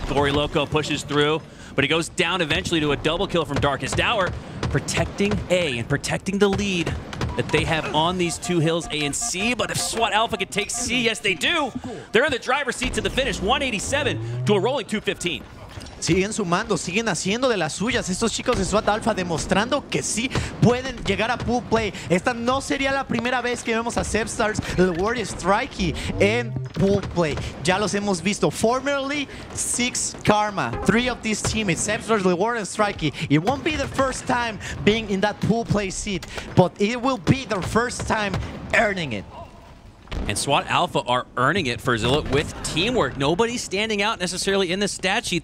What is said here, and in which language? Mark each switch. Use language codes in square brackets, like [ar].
[en] Gory Loco pushes through, but he goes down eventually to a double kill from Darkest Hour, protecting A and protecting the lead that they have on these two hills, A and C. But if SWAT Alpha could take C, yes they do. They're in the driver's seat to the finish, 187 to a rolling 215. [es] Siguen sumando, siguen haciendo de las suyas estos chicos de SWAT Alpha, demostrando que sí pueden llegar a pool play. Esta no sería la primera vez que vemos a Sepstars, Leuor y Strikeyy en pool play. Ya los hemos visto. [en] Formerly Six Karma, three of these teammates, Sepstars, Leuor and Strikeyy. It won't be the first time being in that pool play seat, but it will be the first time earning it. And SWAT Alpha are earning it for Zillit with teamwork. Nobody's standing out necessarily in the stat sheet.